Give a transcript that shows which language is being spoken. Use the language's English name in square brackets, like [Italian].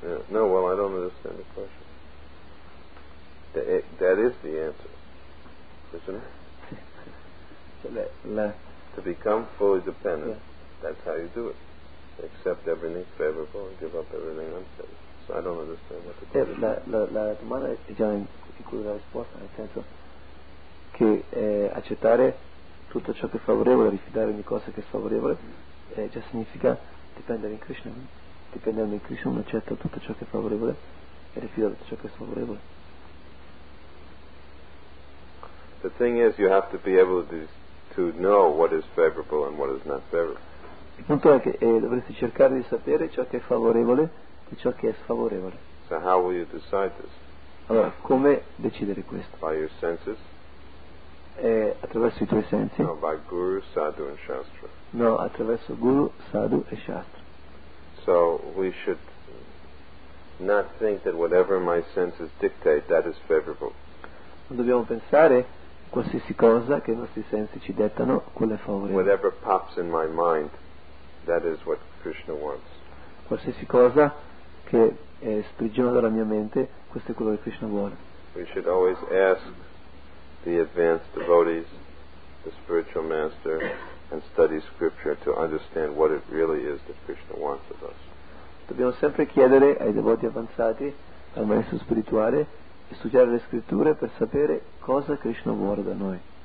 [English] Yeah. No, well, I don't understand the question. That is the answer. To become fully dependent, that's how you do it. Accept everything favorable and give up everything unfavorable. So I don't understand what the question is. [Italian] La domanda è già inclusa la risposta, nel senso che accettare tutto ciò che è favorevole, rifiutare ogni cosa che è sfavorevole, già significa dipendere in Krishna. Dipendendo in Krishna, uno accetta tutto ciò che è favorevole e rifiuta tutto ciò che è sfavorevole. [English] The thing is, you have to be able to know what is favorable and what is not favorable. [Italian] Il punto è che dovresti cercare di sapere ciò che è favorevole e ciò che è sfavorevole. [English] So how will you decide this? [Italian] Allora, come decidere questo? [English] By your senses? [Italian] Attraverso i tuoi sensi? [English] No, by guru, sadhu and shastra. [Italian] No, attraverso guru, sadhu e shastra. [English] So we should not think that whatever my senses dictate, that is favorable. [Italian] Non dobbiamo pensare qualsiasi cosa che i nostri sensi ci dettano, quello è favorevole. [English] Whatever pops in my mind, that is what Krishna wants. [Italian] Qualsiasi cosa che sprigiona dalla mia mente, questo è quello che Krishna vuole. [English] We should always ask the advanced devotees, the spiritual master, and study scripture to understand what it really is that Krishna wants of us. [Italian] Dobbiamo sempre chiedere ai devoti avanzati, al maestro spirituale, e studiare le scritture per sapere cosa Krishna vuole da noi.